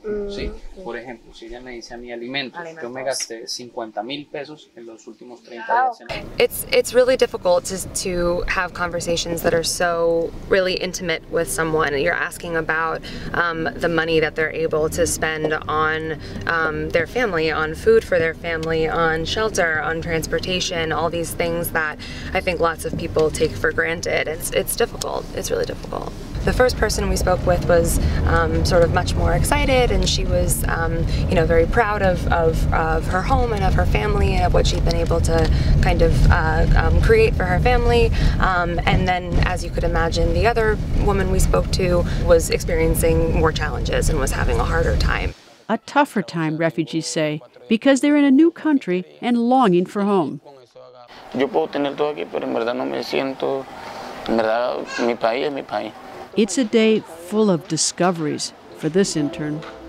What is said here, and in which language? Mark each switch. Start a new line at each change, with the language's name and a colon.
Spanish: Sí, por ejemplo, si ella me dice a mí alimentos, yo me gasté 50,000 pesos en los últimos 30 días.
English: It's really difficult to have conversations that are so really intimate with someone. You're asking about the money that they're able to spend on their family, on food for their family, on shelter, on transportation, all these things that I think lots of people take for granted. It's difficult. It's really difficult. The first person we spoke with was sort of much more excited, and she was very proud of her home and of her family and of what she'd been able to kind of create for her family. And then, as you could imagine, the other woman we spoke to was experiencing more challenges and was having a harder time. A tougher time, refugees say, because they're in a new country and longing for home.
Spanish: Yo puedo tener todo aquí, pero en verdad no me siento, en verdad, mi país es mi país.
English: It's a day full of discoveries for this intern.